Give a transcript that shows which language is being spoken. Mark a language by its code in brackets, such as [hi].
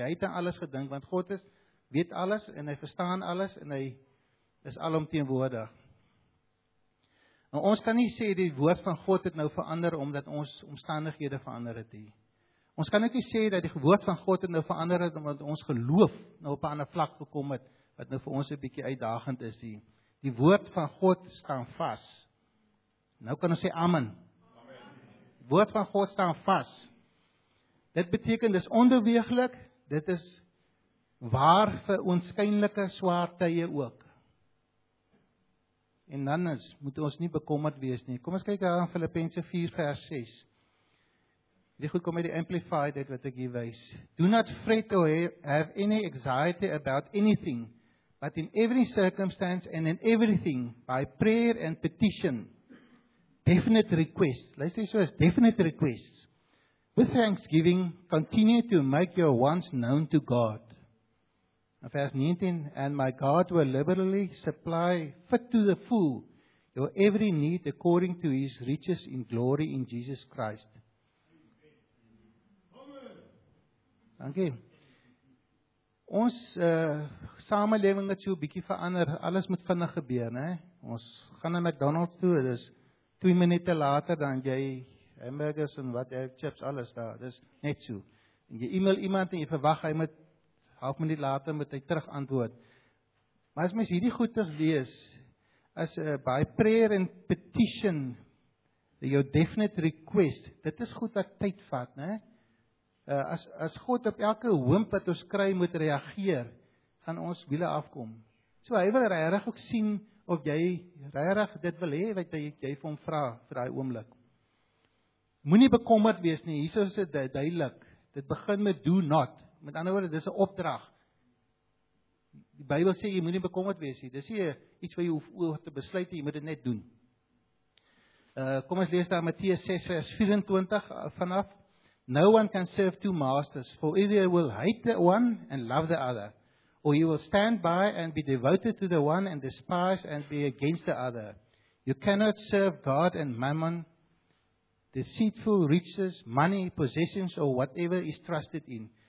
[af] Hy het aan alles gedink, want God is, weet alles, en hy verstaan alles, en hy is alomteenwoordig. En ons kan nie sê, die woord van God het nou verander, omdat ons omstandighede verander het nie. Ons kan ook nie sê, dat die woord van God het nou verander het, omdat ons geloof nou op 'n ander vlak gekom het, wat nou vir ons 'n bietjie uitdagend is nie. Die woord van God staan vas. Nou kan ons sê amen. Amen. Woord van God staan vas. Dit beteken dis onbeweeglik, dit is waar vir oënskynlike swaar tye ook. En dan is, moet ons nie bekommerd wees nie. Kom ons kyk daar in Filippense 4 vers 6. Die goed kom met die Amplified uit wat ek hier wys. [en] Do not fret or have any anxiety about anything, but in every circumstance and in everything, by prayer and petition, definite requests, [af] luister hier so as [en] definite requests, with thanksgiving, continue to make your wants known to God. Now verse 19, and my God will liberally supply fit to the full your every need according to his riches in glory in Jesus Christ. [af] Amen. Dankie. Ons samelewing het so 'n bietjie verander, alles moet vinnig gebeur, né? Ons gaan na McDonald's toe, dis 2 minute later dan jy hamburgers en wat jy chips alles daar. Dis net so. En jy e-mail iemand en jy verwag hy moet 1/2 minuut later moet hy terug antwoord. Maar as mens hierdie goeders lees as 'n [en] by prayer and petition, your definite request, [af] dit is goed wat tyd vat, né? As God op elke hoop wat ons kry moet reageer, gaan ons wiele afkom. So hy wil regtig ook sien of jy regtig dit wil hê wat jy vir hom vra vir daai oomblik. Moenie bekommerd wees nie. Hierso is dit duidelik. Dit begin met [en] do not. [af] Met ander woorde, dis 'n opdrag. Die Bybel sê jy moenie bekommerd wees nie. Dis nie iets wat jy hoef oor te besluit nie. Jy moet dit net doen. Kom ons lees daar Matteus 6 vers 24 vanaf. [en] No one can serve two masters, for either he will hate the one and love the other, or he will stand by and be devoted to the one and despise and be against the other. You cannot serve God and mammon. Deceitful riches, money, possessions, or whatever is trusted in.